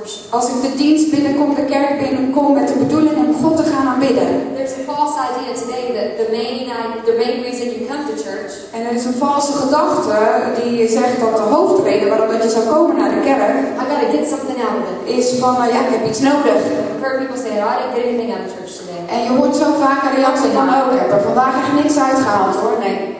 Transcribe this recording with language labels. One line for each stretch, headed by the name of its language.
Dutch: Als ik de dienst binnenkom, de kerk binnenkom met de bedoeling om God te gaan aanbidden.
English: There's a false idea today that the main reason you come to church.
Dutch: En er is een valse gedachte die zegt dat de hoofdreden waarom dat je zou komen naar de kerk.
English: I gotta get something out of it.
Dutch: Is van, ja, ik heb iets nodig.
English: I've heard people say, oh, I didn't get anything out of church today.
Dutch: En je hoort zo vaak een reactie van, oh, ik heb er vandaag echt niks uitgehaald hoor, nee.